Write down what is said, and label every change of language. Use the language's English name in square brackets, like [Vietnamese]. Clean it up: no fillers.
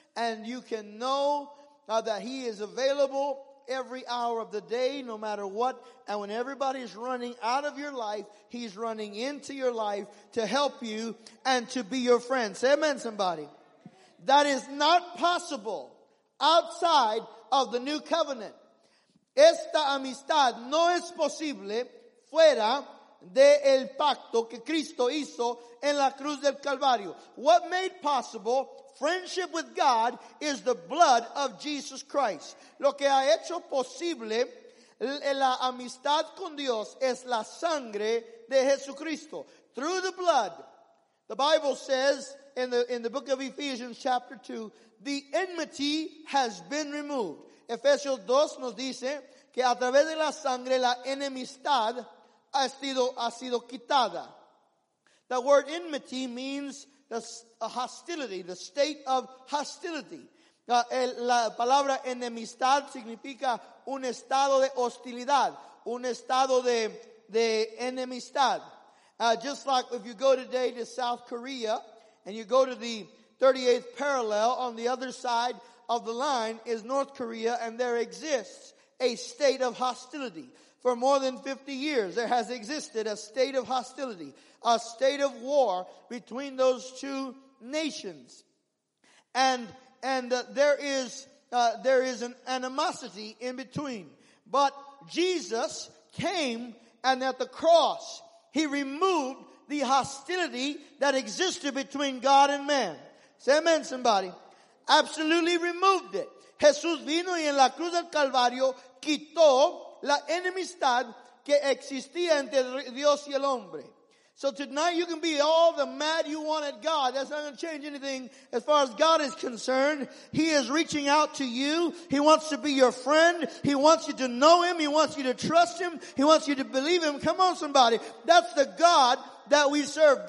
[English] And you can know that He is available every hour of the day, no matter what. And when everybody's running out of your life, He's running into your life to help you and to be your friend. Say amen, somebody. That is not possible outside of the new covenant. [Spanish] Esta amistad no es posible fuera de el pacto que Cristo hizo en la cruz del Calvario. [English] What made possible friendship with God is the blood of Jesus Christ. [Spanish] Lo que ha hecho posible la amistad con Dios es la sangre de Jesucristo. [English] Through the blood, the Bible says in the book of Ephesians chapter 2, the enmity has been removed. [Spanish] Efesios 2 nos dice que a través de la sangre la enemistad ha sido quitada. [English] The word enmity means hostility, the state of hostility. [Spanish] La palabra enemistad significa un estado de hostilidad, un estado de enemistad. [English] Just like if you go today to South Korea and you go to the 38th parallel, on the other side of the line is North Korea, and there exists a state of hostility. For more than 50 years, there has existed a state of hostility, a state of war between those two nations. And there is an animosity in between. But Jesus came, and at the cross, He removed the hostility that existed between God and man. Say amen, somebody. Absolutely removed it. [Spanish] Jesús vino y en la cruz del Calvario quitó la enemistad que existía entre Dios y el hombre. [English] So tonight you can be all the mad you want at God. That's not going to change anything as far as God is concerned. He is reaching out to you. He wants to be your friend. He wants you to know Him. He wants you to trust Him. He wants you to believe Him. Come on, somebody. That's the God that we serve.